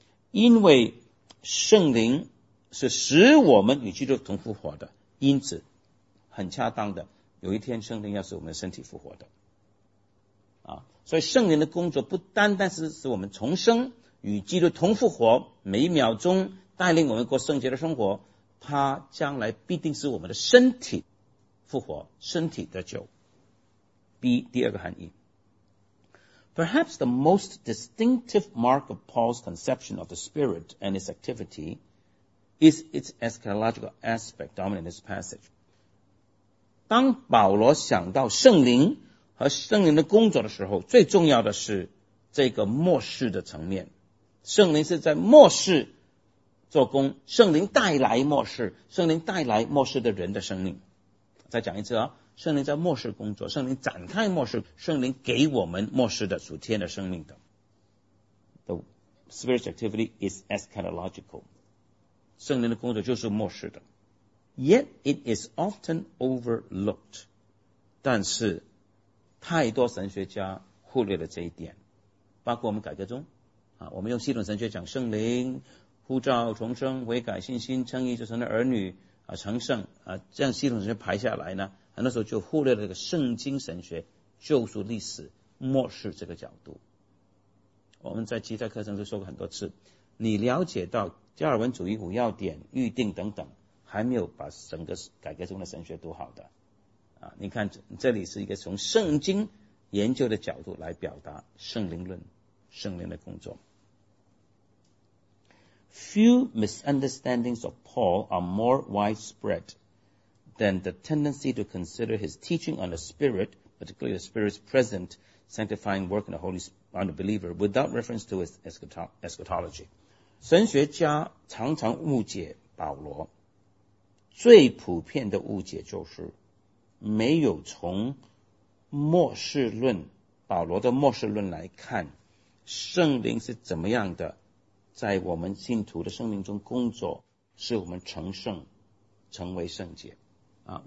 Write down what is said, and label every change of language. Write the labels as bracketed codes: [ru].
[zh] 因为圣灵是使我们与基督同复活的，因此很恰当的，有一天圣灵要使我们身体复活的。啊，所以圣灵的工作不单单是使我们重生，与基督同复活，每一秒钟带领我们过圣洁的生活，他将来必定使我们的身体复活，身体得救。 B 第二个含义。 [en] Perhaps the most distinctive mark of Paul's conception of the Spirit and its activity is its eschatological aspect dominant in this passage. [zh] 当保罗想到圣灵和圣灵的工作的时候，最重要的是这个末世的层面。圣灵是在末世做工，圣灵带来末世，圣灵带来末世的人的生命。再讲一次啊，圣灵在末世工作，圣灵展开末世，圣灵给我们末世的属天的生命的。 [en] The spirit's activity is eschatological. [zh] 圣灵的工作就是末世的。 [en] Yet it is often overlooked. [zh] 但是太多神学家忽略了这一点，包括我们改革中啊，我们用系统神学讲圣灵、呼召、重生、悔改、信心、称义、就成了儿女啊、成圣啊，这样系统神学排下来呢，很多时候就忽略了这个圣经神学、救赎历史、末世这个角度。我们在其他课程都说过很多次，你了解到加尔文主义五要点、预定等等，还没有把整个改革中的神学读好的。啊，你看这里是一个从圣经研究的角度来表达圣灵论、圣灵的工作。 [en] Few misunderstandings of Paul are more widespread than the tendency to consider his teaching on the Spirit, particularly the Spirit's present sanctifying work in the Holy Spirit on the believer, without reference to his eschatology. [zh] 神学家常常误解保罗，最普遍的误解就是没有从末世论，保罗的末世论来看圣灵是怎么样的在我们信徒的生命中工作，使我们成圣成为圣洁啊。